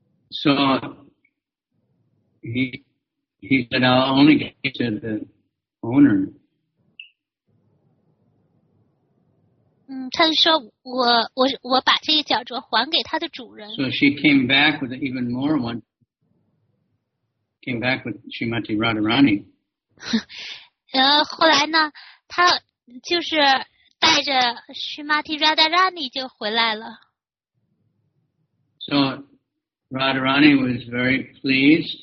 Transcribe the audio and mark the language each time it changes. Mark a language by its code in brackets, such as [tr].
[en] So he said, I'll only give it to the owner. [zh] 他就说我把这个脚镯还给他的主人。 [en] So she came back with even more one. Came back with Srimati Radharani. [zh] 后来呢，他就是带着 Srimati Radharani 就回来了。 [en] So Radharani was very pleased.